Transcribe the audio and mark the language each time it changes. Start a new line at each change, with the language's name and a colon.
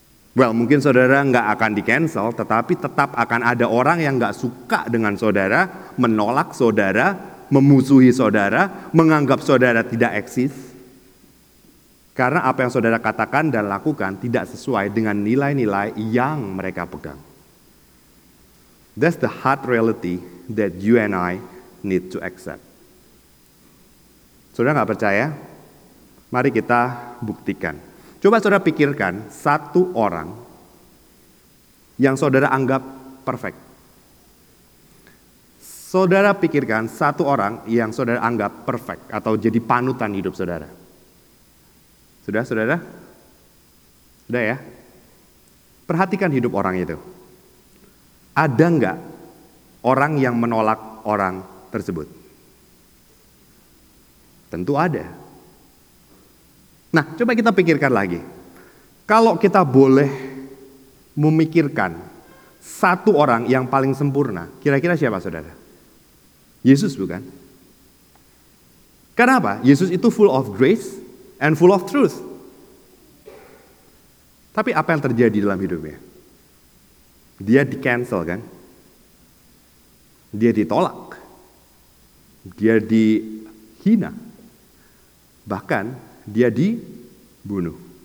Indonesian: Well, mungkin saudara enggak akan di-cancel, tetapi tetap akan ada orang yang enggak suka dengan saudara, menolak saudara, memusuhi saudara, menganggap saudara tidak eksis. Karena apa yang saudara katakan dan lakukan tidak sesuai dengan nilai-nilai yang mereka pegang.
English: That's the hard reality that you and I need to accept.
Indonesian: Saudara gak percaya? Mari kita buktikan. Coba saudara pikirkan satu orang yang saudara anggap perfect. Saudara pikirkan satu orang yang saudara anggap perfect atau jadi panutan hidup saudara. Sudah, saudara? Sudah ya? Perhatikan hidup orang itu. Ada gak orang yang menolak orang tersebut? Tentu ada. Nah, coba kita pikirkan lagi. Kalau kita boleh memikirkan satu orang yang paling sempurna, kira-kira siapa, saudara? Yesus, bukan? Kenapa?
English: Yesus itu full of grace and full of truth.
Indonesian: Tapi apa yang terjadi dalam hidupnya? Dia di-cancel, kan? Dia ditolak. Dia dihina. Bahkan dia dibunuh.